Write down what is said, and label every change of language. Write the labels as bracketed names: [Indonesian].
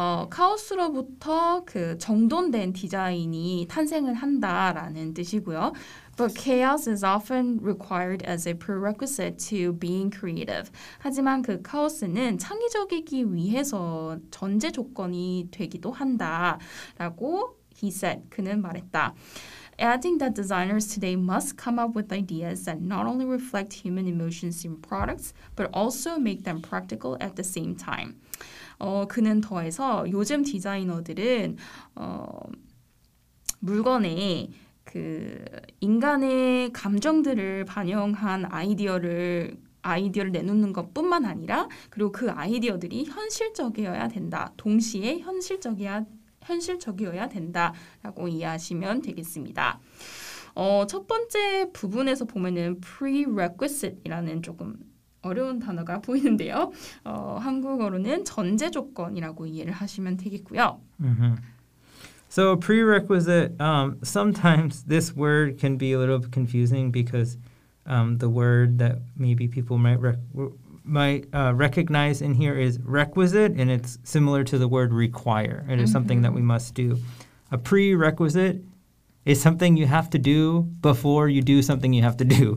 [Korean] 카오스로부터 그 정돈된 디자인이 탄생을 한다라는 뜻이고요. [English] But chaos is often required as a prerequisite to being creative. [Korean] 하지만 그 카오스는 창의적이기 위해서 전제 조건이 되기도 한다라고 [English] he said, [Korean] 그는 말했다. [English] Adding that designers today must come up with ideas that not only reflect human emotions in products, but also make them practical at the same time. [Korean] 그는 더해서 요즘 디자이너들은 물건에 그 인간의 감정들을 반영한 아이디어를 내놓는 것뿐만 아니라 그리고 그 아이디어들이 현실적이어야 된다. 동시에 현실적이어야 된다라고 이해하시면 되겠습니다. 첫 번째 부분에서 보면은 prerequisite이라는 조금 어려운 단어가 보이는데요. 한국어로는 전제 조건이라고 이해를 하시면 되겠고요. Mm-hmm. [English] So a prerequisite, sometimes this word can be a little bit confusing because the word that maybe people might recognize in here is requisite, and it's similar to the word require. It is mm-hmm. something that we must do. A prerequisite is something you have to do before you do something you have to do.